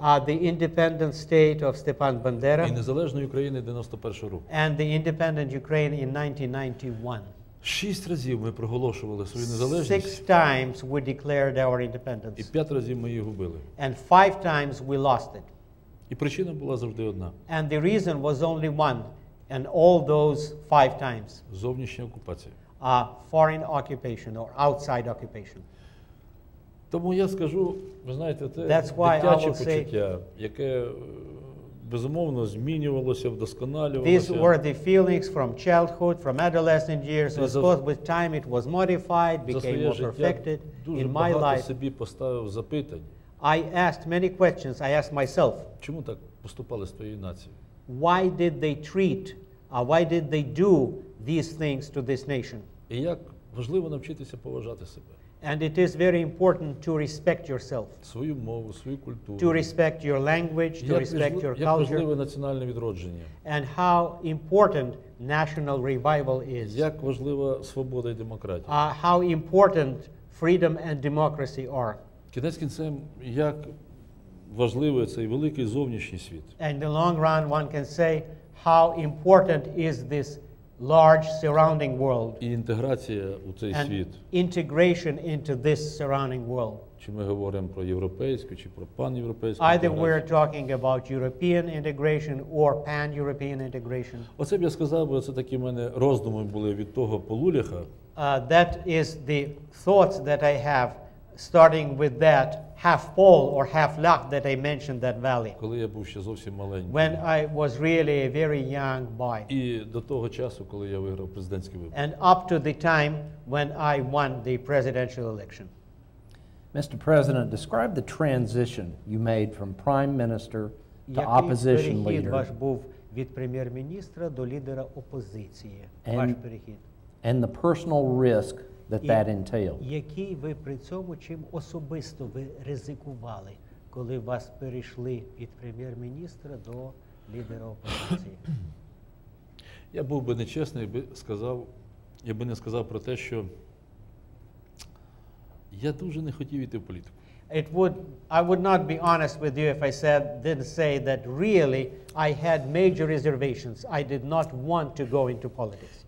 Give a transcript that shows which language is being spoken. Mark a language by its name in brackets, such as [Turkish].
[English] the independent state of Stepan Bandera, [Ukrainian] і незалежної України 91-го року, [English] and the independent Ukraine in 1991. [Ukrainian] Шість разів ми проголошували свою незалежність. [English] Six times we declared our independence. [Ukrainian] І п'ять разів ми її губили. [English] And five times we lost it. [Ukrainian] І причина була завжди одна. [English] And the reason was only one, and all those five times. [Ukrainian] Зовнішня окупація. [English] Foreign occupation or outside occupation. [Ukrainian] Тому я скажу, ви знаєте, це дитяче почуття, яке безумовно змінювалося, вдосконалювалося. [English] These were the feelings from childhood, from adolescent years, of course with time it was modified, became more perfected. In my life, [Ukrainian] дуже багато собі поставив запитань. [English] I asked many questions, I asked myself. [Ukrainian] Чому так поступали з твоєю нацією? [English] Why did they treat why did they do these things to this nation? [Ukrainian] І як важливо навчитися поважати себе. [English] And it is very important to respect yourself. [Ukrainian] Свою мову, свою культуру. [English] To respect your language, to respect your culture. [Ukrainian] Як важливе національне відродження. [English] And how important national revival is. [Ukrainian] Як важлива свобода і демократія. [English] How important freedom and democracy are. [Ukrainian] Кінець кінцем, як важливий цей великий зовнішній світ. [English] And in the long run, one can say how important is this large surrounding world. [Ukrainian] І інтеграція у цей [English] and [Ukrainian] світ. [English] Integration into this surrounding world. [Ukrainian] Чи ми говоримо про європейську чи про пан-європейську? [English] Either we're talking about European integration or pan-European integration. [Ukrainian] Оце б я сказав, бо це такі в мене роздуми були від того полуляха. [English] That is the thoughts that I have starting with that half pole or half lock that I mentioned that valley. [Ukrainian] Коли я був ще зовсім маленький. [English] When I was really a very young boy. [Ukrainian] І до того часу, коли я виграв президентські вибори. [English] And up to the time when I won the presidential election. Mr. President, describe the transition you made from prime minister to opposition leader. [Ukrainian] Який перехід ваш був від прем'єр-міністра до лідера опозиції? Ваш перехід. [English] And the personal risk that that entailed. [Ukrainian] Який ви при цьому чим особисто ви ризикували, коли вас перейшли від прем'єр-міністра до лідера опозиції? Я був би нечесний, я би не сказав про те, що я дуже не хотів іти в політику. [English] I would not be honest with you if I said didn't say that really I had major reservations. I did not want to go into politics.